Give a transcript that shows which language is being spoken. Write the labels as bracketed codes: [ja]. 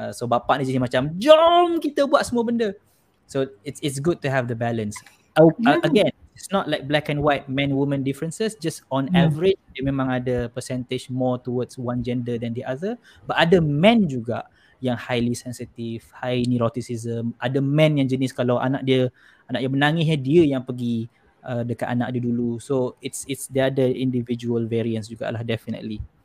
[ms] So bapak ni jadi macam jom kita buat semua benda. [en] So it's good to have the balance. Again, it's not like black and white men woman differences. Just on average, [ms] dia memang ada [en] percentage more towards one gender than the other. But [ms] ada [en] men [ms] juga yang [en] highly sensitive, high neuroticism. [ms] Ada men yang jenis kalau anak dia menangis, dia yang pergi dekat anak dia dulu. [en] So it's the other individual variants [ms] jugalah [en] definitely.